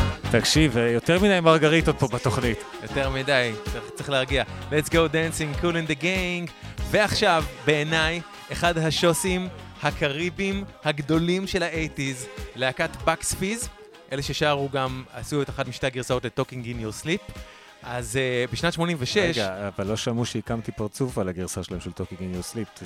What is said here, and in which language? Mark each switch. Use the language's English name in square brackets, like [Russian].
[Hebrew] תקשיב, יותר מדי מרגריטות פה בתוכנית. יותר מדי, צריך להרגיע. [English] Let's go dancing, cool in the gang. [Hebrew] ועכשיו, בעיניי, אחד השוסים הקריבים הגדולים של ה-80s, להקת Bucks Fizz, אלה ששארו גם, עשו את אחת משתי הגרסאות ל-Talking in Your Sleep. אז בשנת 86... רגע, אבל לא שמעו שהקמתי פרצוף על הגרסה שלהם של Talking in Your Sleep.